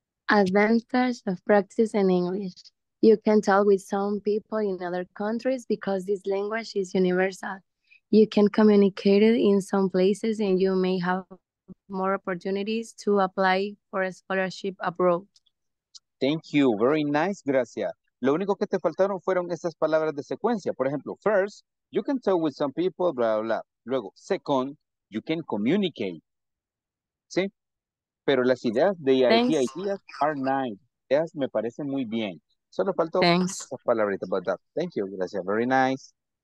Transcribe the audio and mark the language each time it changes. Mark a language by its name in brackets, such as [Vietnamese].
[English] Advantage of practice in English. You can talk with some people in other countries because this language is universal. You can communicate it in some places and you may have more opportunities to apply for a scholarship abroad. Thank you. Very nice, Gracia. [Spanish] Lo único que te faltaron fueron esas palabras de secuencia. Por ejemplo, first, [English] you can talk with some people, blah, blah, [Spanish] blah. [English] Luego, second, you can communicate. ¿Sí? [Spanish] Pero las ideas de ideas [English] are nice. [Spanish] Ideas me parecen muy bien. Solo faltó esas palabritas [English] about that. Thank you, Gracia. Very nice.